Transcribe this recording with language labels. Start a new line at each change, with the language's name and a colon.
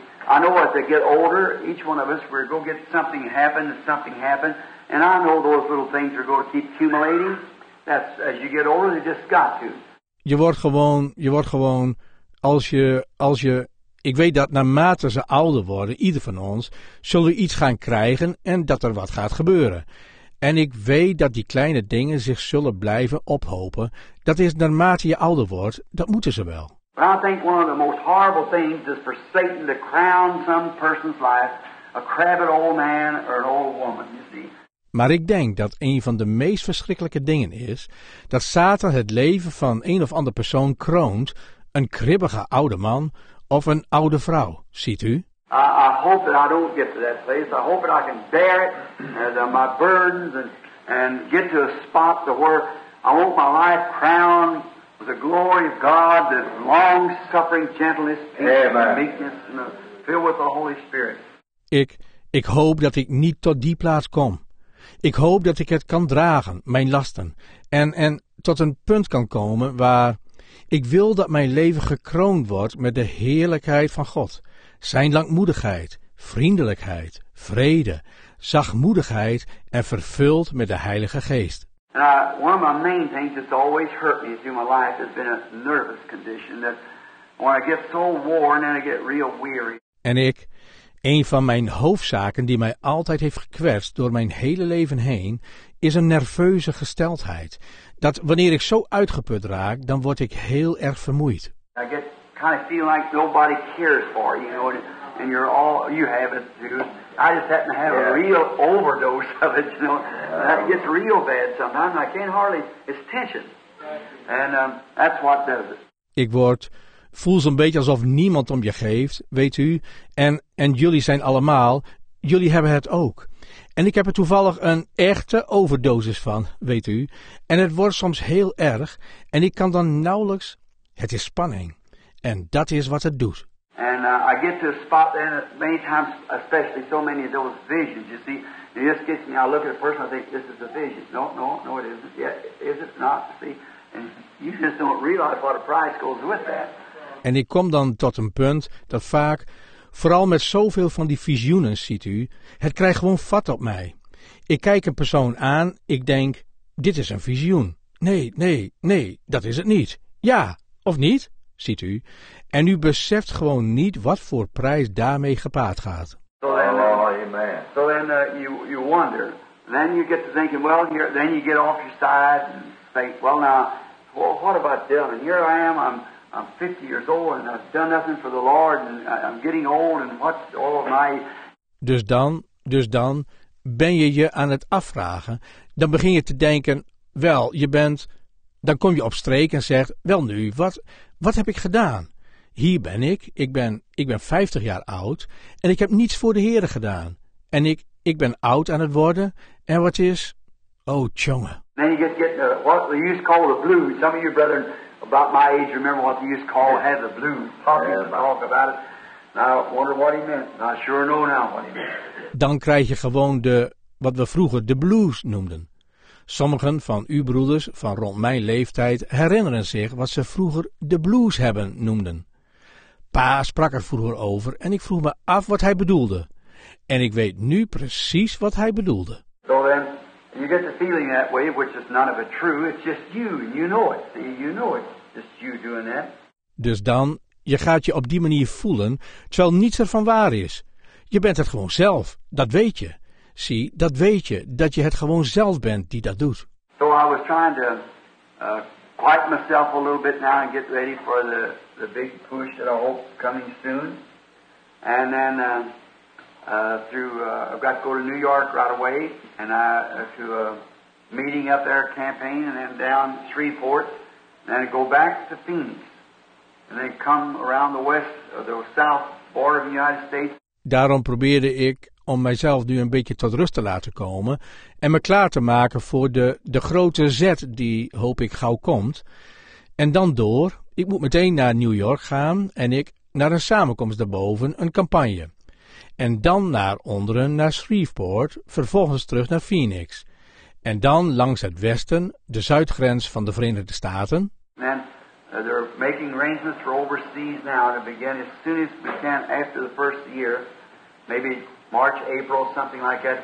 English: I know as they get older, each one of us, we're going to get something happen. And I know those little things are going to keep accumulating. That's as you get older, they just got to.
Dutch: Je wordt gewoon, als je... Ik weet dat naarmate ze ouder worden, ieder van ons, zullen we iets gaan krijgen en dat er wat gaat gebeuren. En ik weet dat die kleine dingen zich zullen blijven ophopen. Dat is naarmate je ouder wordt, dat moeten ze wel.
English: But I think one of the most horrible things is for Satan to crown some person's life, a crabbed old man or an old woman, you see.
Dutch: Maar ik denk dat een van de meest verschrikkelijke dingen is dat Satan het leven van een of ander persoon kroont, een kribbige oude man of een oude vrouw, ziet u?
English: I hope that I don't get to that place. I hope that I can bear it as my burdens and get to a spot to where I want my life crowned with the glory of God, the long-suffering gentleness, peace, and meekness, and filled with the Holy Spirit.
Dutch: Ik hoop dat ik niet tot die plaats kom. Ik hoop dat ik het kan dragen, mijn lasten, en tot een punt kan komen waar ik wil dat mijn leven gekroond wordt met de heerlijkheid van God. Zijn langmoedigheid, vriendelijkheid, vrede, zachtmoedigheid en vervuld met de Heilige Geest.
English: And one of my main things that's always hurt me through my life has been a nervous condition. That When I get so worn and I get real weary.
Dutch: En ik, een van mijn hoofdzaken die mij altijd heeft gekwetst door mijn hele leven heen, is een nerveuze gesteldheid. Dat wanneer ik zo uitgeput raak, dan word ik heel erg vermoeid.
English: I get kind of feeling like nobody cares for you, you know, and you're all, you have it too. I just happen to have a real overdose of it, you know. That gets real bad sometimes. I can't hardly, it's tension. And that's what does it.
Dutch: Ik word, voel zo'n beetje alsof niemand om je geeft, weet u, en jullie zijn allemaal, jullie hebben het ook. En ik heb er toevallig een echte overdosis van, weet u, en het wordt soms heel erg, en ik kan dan nauwelijks, het is spanning, en dat is wat het doet.
English: And I get to a spot then, many times, especially so many of those visions, you see, it just gets me, I look at a person, I think, this is a vision, no, it isn't, yeah, is it not, see, and you just don't realize what a price goes with that.
Dutch: En ik kom dan tot een punt dat vaak, vooral met zoveel van die visioenen, ziet u, het krijgt gewoon vat op mij. Ik kijk een persoon aan, ik denk, dit is een visioen. Nee, dat is het niet. Ja, of niet, ziet u. En u beseft gewoon niet wat voor prijs daarmee gepaard gaat.
English: So then, you wonder. And then you get to thinking, well, here, then you get off your side and think, well now, well, what about them? And here I am, I'm 50 years old and I've done nothing for the Lord and I'm getting old and what's all of my...
Dutch: Dus dan ben je je aan het afvragen. Dan begin je te denken, wel, je bent... Dan kom je op streek en zegt, wel nu, wat heb ik gedaan? Hier ben ik, ik ben 50 jaar oud en ik heb niets voor de Heere gedaan. En ik ben oud aan het worden en wat is... Oh, tjonge.
English: Then you get the, what we used to call the blues. Some of your brethren... About my age, remember what they used to call, had the blues. Talk about it. Now, I wonder what he meant. Now, I sure know now what he meant.
Dutch: Dan krijg je gewoon de, wat we vroeger de blues noemden. Sommigen van uw broeders van rond mijn leeftijd herinneren zich wat ze vroeger de blues hebben noemden. Pa sprak er vroeger over en ik vroeg me af wat hij bedoelde. En ik weet nu precies wat hij bedoelde.
English: So then, you get the feeling that way, which is none of it true. It's just you, and you know it. See, you know it. Just you doing that.
Dutch: Dus dan, je gaat je op die manier voelen, terwijl niets ervan waar is. Je bent het gewoon zelf. Dat weet je. Zie, dat weet je, dat je het gewoon zelf bent die dat doet.
English: So I was trying to quiet myself a little bit now and get ready for the big push that I hope coming soon. And then... I've got to go to New York right away, and to a meeting up there, campaign, and then down Shreveport, and then I go back to Phoenix, and then come around the west, the south border of the United States.
Dutch: Daarom probeerde ik om mijzelf nu een beetje tot rust te laten komen en me klaar te maken voor de grote zet die hoop ik gauw komt, en dan door. Ik moet meteen naar New York gaan en ik naar een samenkomst daarboven, een campagne. En dan naar onderen, naar Shreveport, vervolgens terug naar Phoenix. En dan langs het westen, de zuidgrens van de Verenigde Staten.
English: And they're making arrangements for overseas now. And it began as soon as we can after the first year. Maybe March, April, something like that.